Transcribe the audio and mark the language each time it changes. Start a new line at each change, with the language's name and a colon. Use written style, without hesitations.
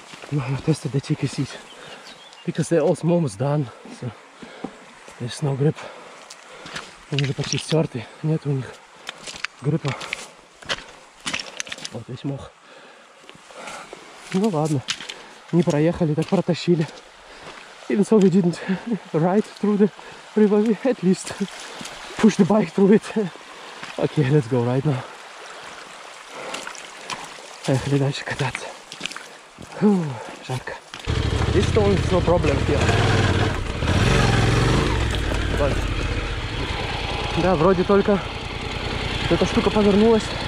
English: No, I've tested the TKC. Because they're all almost done, so there's no grip.
Russian: Они уже почти стерты, нет у них гриппа. Вот весь мох. Ну ладно, не проехали, так протащили.
English: Even so we didn't ride through the river, we at least pushed the bike through it. Okay, let's go right now.
Russian: Поехали дальше кататься. Жарко.
English: This storm is no problem here. But...
Russian: Да, вроде только эта штука повернулась.